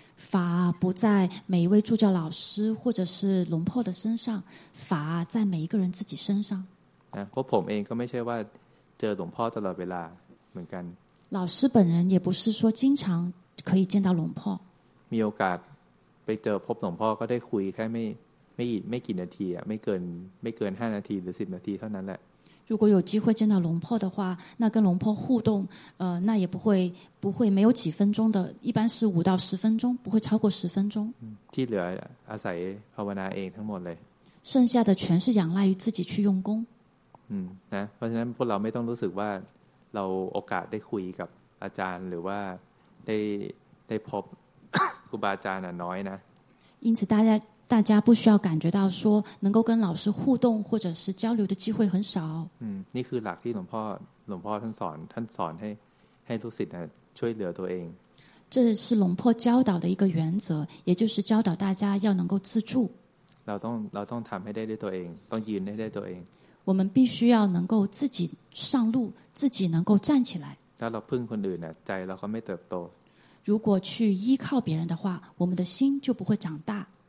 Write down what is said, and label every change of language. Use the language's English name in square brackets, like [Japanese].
[Chinese] 法不在每一位助教老师或者是龙破的身上法在每一个人自己身上 [Thai] นะพวกผมเองก็ไม่ใช่ว่าเจอหลวงพ่อตลอดเวลาเหมือนกัน [Chinese] 老师本人也不是说经常可以见到龙破 [Thai] มีโอกาสไปเจอพบหลวงพ่อก็ได้คุยแค่ไม่กี่นาทีอ่ะไม่เกิน5นาทีหรือ10นาทีเท่านั้นแหละ [Chinese] 如果有机会见到龙破的话那跟龙破互动那也不会没有几分钟的一般是5到10分钟不会超过10分钟 [Thai] ที่เหลืออาศัยภาวนาเองทั้งหมดเลย [Chinese] 剩下的全是仰赖于自己去用功 [Thai] นะเพราะฉะนั้นพวกเราไม่ต้องรู้สึกว่าเราโอกาสได้คุยกับอาจารย์หรือว่าได้พบครูบาอาจารย์น้อยนะ [Chinese] 因此大家不需要感觉到说能够跟老师互动或者是交流的机会很少 [Thai] นี่คือหลักที่หลวงพ่อท่านสอนให้ลูกศิษย์นะช่วยเหลือตัวเอง [Chinese] 这是龙破教导的一个原则也就是教导大家要能够自助 [Thai] เราต้องทำให้ได้ด้วยตัวเองต้องยืนให้ได้ตัวเอง [Chinese] 我们必须要能够自己上路，自己能够站起来。 [Thai] ถ้าเราพึ่งคนอื่นน่ะใจเราก็ไม่เติบโต [Chinese] 如果去依靠别人的话我们的心就不会长大